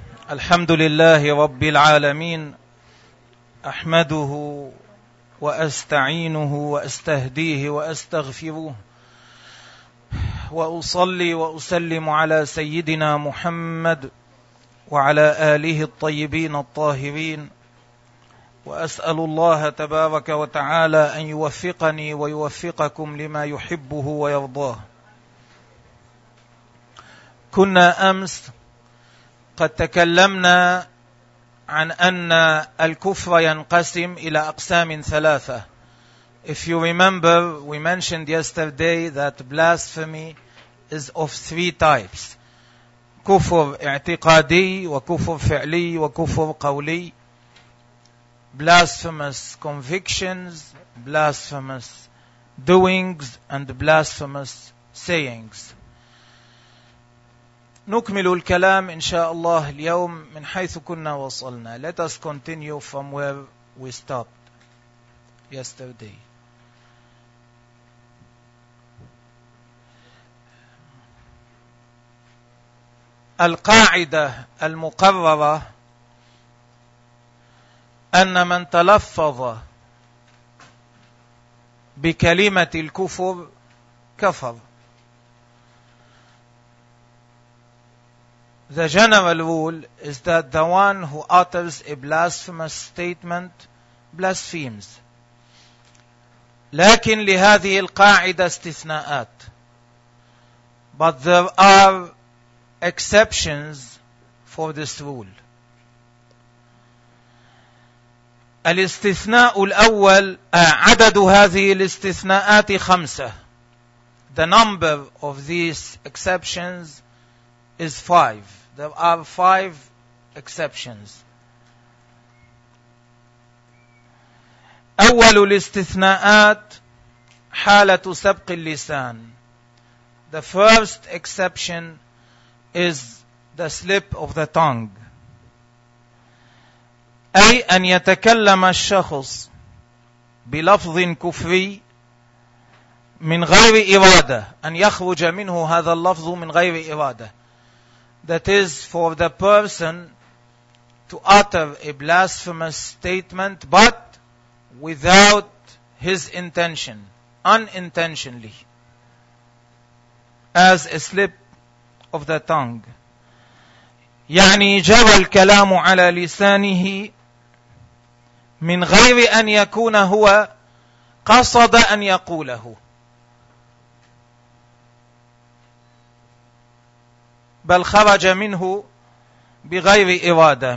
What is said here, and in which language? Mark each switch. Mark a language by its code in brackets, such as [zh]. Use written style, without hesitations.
[ar] الحمد لله رب العالمين أحمده وأستعينه وأستهديه وأستغفره وأصلي وأسلم على سيدنا محمد وعلى آله الطيبين الطاهرين وأسأل الله تبارك وتعالى أن يوفقني ويوفقكم لما يحبه ويرضاه. كنا أمس قد تكلمنا عن أن الكفر ينقسم إلى أقسام ثلاثة. [en] If you remember, we mentioned yesterday that blasphemy is of three types. [ar] كفر اعتقادي وكفر فعلي وكفر قولي. [en] Blasphemous convictions, blasphemous doings, and blasphemous sayings. [ar] نكمل الكلام إن شاء الله اليوم من حيث كنا وصلنا. [en] Let us continue from where we stopped yesterday. [ar] القاعدة المقررة أن من تلفظ بكلمة الكفر كفر. [en] The general rule is that the one who utters a blasphemous statement blasphemes. [ar] لكن لهذه القاعدة استثناءات. [en] But there are exceptions for this rule. [ar] الاستثناء الأول عدد هذه الاستثناءات خمسة. [en] The number of these exceptions is five. There are five exceptions. [ar] أول الاستثناءات حالة سبق اللسان. [en] The first exception is the slip of the tongue. [ar] أي أن يتكلم الشخص بلفظ كفري من غير إرادة. أن يخرج منه هذا اللفظ من غير إرادة. [en] That is for the person to utter a blasphemous statement but without his intention, unintentionally, as a slip of the tongue. [ar] يعني جرى الكلام على لسانه من غير أن يكون هو قصد أن يقوله. بل خرج منه بغير إرادة.